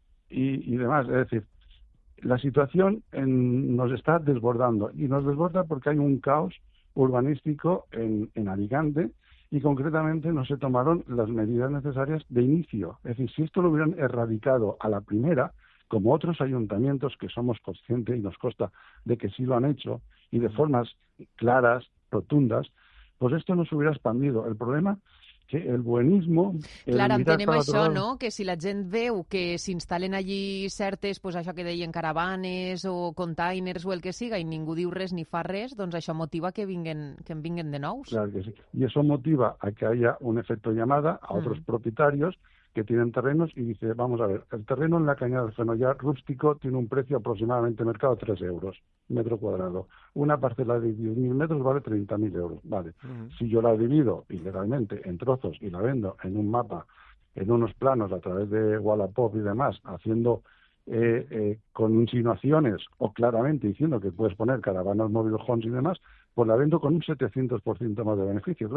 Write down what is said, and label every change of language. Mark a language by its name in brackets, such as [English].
[Spanish] Y demás, es decir, la situación nos está desbordando, y nos desborda porque hay un caos urbanístico en Alicante, y concretamente no se tomaron las medidas necesarias de inicio. Es decir, si esto lo hubieran erradicado a la primera, como otros ayuntamientos que somos conscientes y nos consta de que sí lo han hecho, y de formas claras, rotundas, pues esto no se hubiera expandido. El problema que el buenismo... [Catalan] Clar, entenem això, lado... no? Que si la gent veu que s'instal·len allí certes, pues això que deien caravanes o containers o el que siga, i ningú diu res ni fa res, doncs això motiva que en vinguen de nous. Clar que sí. I això motiva a [Spanish] que haya [Catalan] un efecte [Spanish] llamada [Catalan] a altres propietaris [Spanish] que tienen terrenos y dice, vamos a ver, el terreno en la Cañada del Fenollar rústico tiene un precio aproximadamente mercado 3 euros metro cuadrado. Una parcela de 10.000 metros vale 30.000 euros. Vale. Si yo la divido ilegalmente en trozos y la vendo en un mapa, en unos planos a través de Wallapop y demás, haciendo con insinuaciones o claramente diciendo que puedes poner caravanas, mobile homes y demás, pues la vendo con un 700% más de beneficio.